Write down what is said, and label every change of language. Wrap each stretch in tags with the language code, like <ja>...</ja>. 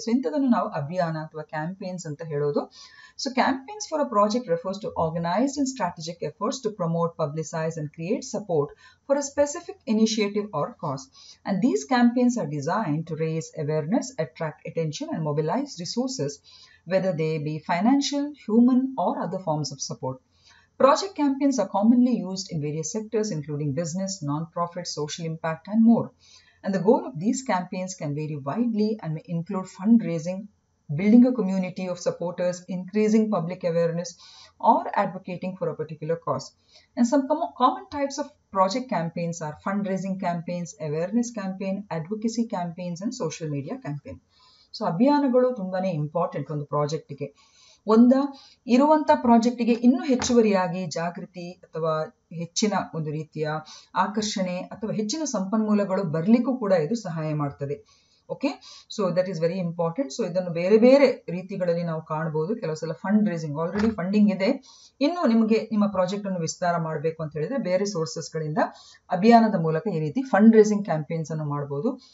<kn>So ಇಂಥದನ್ನು ನಾವು ಅಭಿಯಾನ ಅಥವಾ ಕ್ಯಾಂಪೇನ್ಸ್ ಅಂತ ಹೇಳೋದು.</kn> <en>So campaigns for a project refers to organise and strategic efforts to promote, publicise and create support for a specific initiative or cause. And these campaigns are design to raise awareness, attract attention and mobilise resources, whether they be financial, human or other forms of support. Project campaigns are commonly used in various sectors including business, non-profit, social impact and more. And the goal of these campaigns can vary widely and may include fundraising, building a community of supporters, increasing public awareness or advocating for a particular cause. And some common types of project campaigns are fundraising campaigns, awareness campaign, advocacy campaigns and social media campaign. So,</en> <kn>abhiyanagalu thumbane important on the project ke. ಒಂದ ಇರುವಂತ ಪ್ರಾಜೆಕ್ಟ್ಗೆ ಇನ್ನು ಹೆಚ್ಚುವರಿಯಾಗಿ ಜಾಗೃತಿ ಅಥವಾ ಹೆಚ್ಚಿನ ಒಂದು ರೀತಿಯ ಆಕರ್ಷಣೆ ಅಥವಾ ಹೆಚ್ಚಿನ ಸಂಪನ್ಮೂಲಗಳು ಬರ್ಲಿಕ್ಕೂ ಕೂಡ ಇದು ಸಹಾಯ ಮಾಡ್ತದೆ. Okay,</kn> <en>So that is very important.</en> <kn>So ಇದನ್ನು ಬೇರೆ ಬೇರೆ ರೀತಿಗಳಲ್ಲಿ ನಾವು ಕಾಣಬಹುದು. ಕೆಲವು ಸಲ ಫಂಡ್ ರೇಸಿಂಗ್, ಆಲ್ರೆಡಿ ಫಂಡಿಂಗ್ ಇದೆ, ಇನ್ನು ನಿಮಗೆ ನಿಮ್ಮ ಪ್ರಾಜೆಕ್ಟ್ ಅನ್ನು ವಿಸ್ತಾರ ಮಾಡಬೇಕು ಅಂತ ಹೇಳಿದ್ರೆ ಬೇರೆ ಸೋರ್ಸಸ್ ಗಳಿಂದ ಅಭಿಯಾನದ ಮೂಲಕ ಈ ರೀತಿ ಫಂಡ್ ರೇಸಿಂಗ್ ಕ್ಯಾಂಪೇನ್ಸ್ ಅನ್ನು ಮಾಡಬಹುದು.</kn>